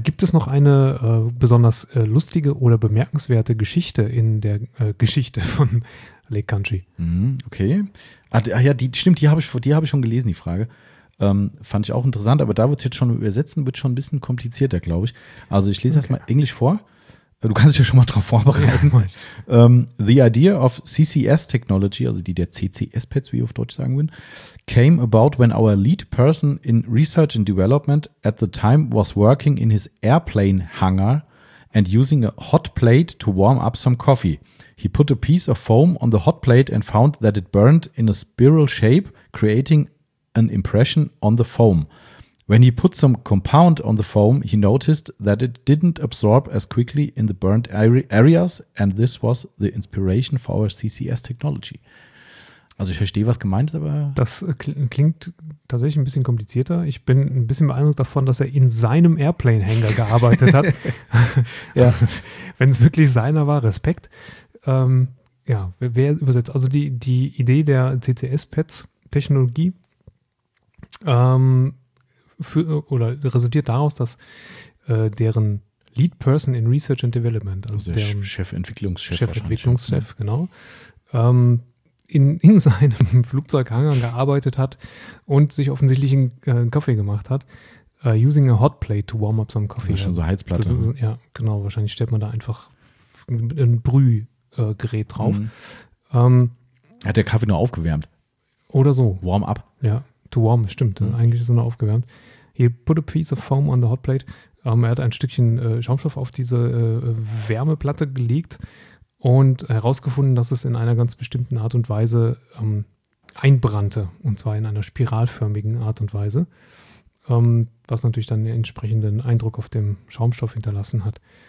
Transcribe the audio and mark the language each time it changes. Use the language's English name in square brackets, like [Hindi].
[German] Gibt es noch eine besonders lustige oder bemerkenswerte Geschichte in der Geschichte von Lake Country? Okay. Ach ja, die habe ich schon gelesen, die Frage. Fand ich auch interessant, aber da wird es jetzt schon übersetzen, wird schon ein bisschen komplizierter, glaube ich. Also ich lese erstmal Englisch vor. Du kannst dich ja schon mal drauf vorbereiten. [English] Ja, the idea of CCS technology, [German] also die der CCS-Pads, wie ich auf Deutsch sagen würde, [English] came about when our lead person in research and development at the time was working in his airplane hangar and using a hot plate to warm up some coffee. He put a piece of foam on the hot plate and found that it burned in a spiral shape, creating an impression on the foam. When he put some compound on the foam, he noticed that it didn't absorb as quickly in the burnt areas and this was the inspiration for our CCS technology. [German] Also ich verstehe, was gemeint ist, aber... Das klingt tatsächlich ein bisschen komplizierter. Ich bin ein bisschen beeindruckt davon, dass er in seinem Airplane-Hangar gearbeitet hat. Ja. Wenn es wirklich seiner war, Respekt. Ja, wer übersetzt? Also die Idee der CCS-Pads-Technologie oder resultiert daraus, dass deren Lead Person in Research and Development, also der Chefentwicklungschef, ne? Genau, in seinem Flugzeughangar gearbeitet hat und sich offensichtlich einen Kaffee gemacht hat. [English] Using a hot plate to warm up some coffee. [German] Das ist schon so Heizplatte. Das ist, ja, genau. Wahrscheinlich stellt man da einfach ein Brühgerät drauf. Mhm. Hat der Kaffee nur aufgewärmt? Oder so. [English] Warm up. [German] Ja. [English] Too warm, [German] stimmt. Mhm. Eigentlich ist er nur aufgewärmt. [English] He put a piece of foam on the hot plate. [German] Er hat ein Stückchen Schaumstoff auf diese Wärmeplatte gelegt und herausgefunden, dass es in einer ganz bestimmten Art und Weise einbrannte. Und zwar in einer spiralförmigen Art und Weise. Was natürlich dann einen entsprechenden Eindruck auf dem Schaumstoff hinterlassen hat.